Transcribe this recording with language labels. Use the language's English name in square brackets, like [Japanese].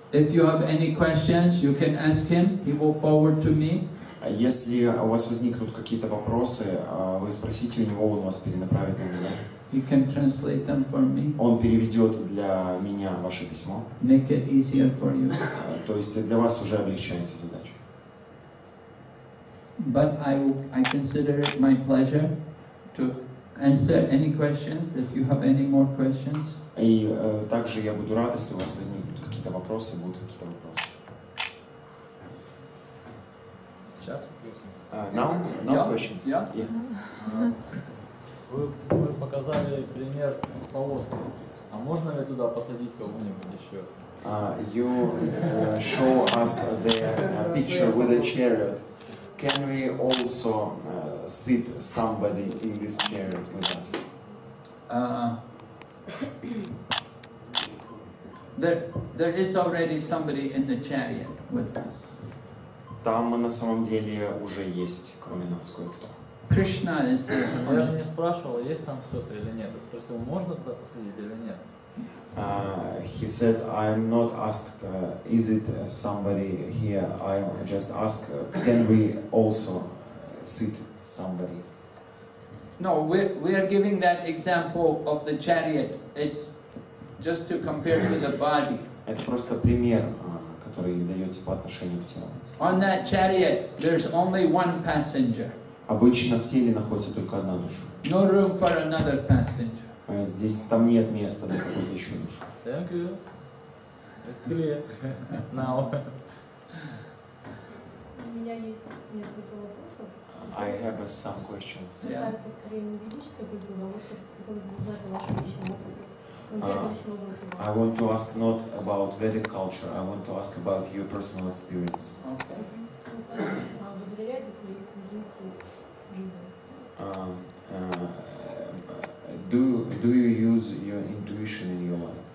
[English] If you have any questions, you can ask him. He will forward to me. [Russian] Если у вас возникнут какие-то вопросы, вы спросите у него, он вас перенаправит на меня. [English] He can translate them for me. [Russian] Он переведет для меня ваше письмо. [English] Make it easier for you. [Russian] То есть для вас уже облегчается задача. [English] But I consider it my pleasure to answer any questions, if you have any more questions. [Russian] И также я буду рад, если у вас возникнут какие-то вопросы, будут какие-то вопросы. Сейчас? [English] Now questions. Yeah. [Russian] Вы показали пример с повозкой. А можно ли туда посадить кого-нибудь еще? [English] You show us the picture with a chariot. Can we also sit somebody in this chair with us? There is already somebody in the chariot with us. [Russian] Там на самом деле уже есть, кроме нас, кое-кто. [English] Krishna is the. [Russian] Я же не спрашивал, есть там кто-то или нет. Я спросил, можно туда посадить или нет. [English] He said, I'm not asked, is it somebody here? I just ask, can we also seat somebody? No, we are giving that example of the chariot. It's just to compare to the body. [Russian] Это просто пример, который дается по отношению к телу. [English] On that chariot, there's only one passenger. [Russian] Обычно в теле находится только одна душа. [English] No room for another passenger. [Russian] Здесь там нет места для какой-то еще души. [English] Thank you. It's clear. Now. [Russian] У меня есть несколько вопросов. [English] I have some questions. [Russian] Касается скорее не физической культуры, а вот хотелось бы задать вашу личную [English] I want to ask not about Vedic culture, I want to ask about your personal experience. Okay. Do you use your intuition in your life?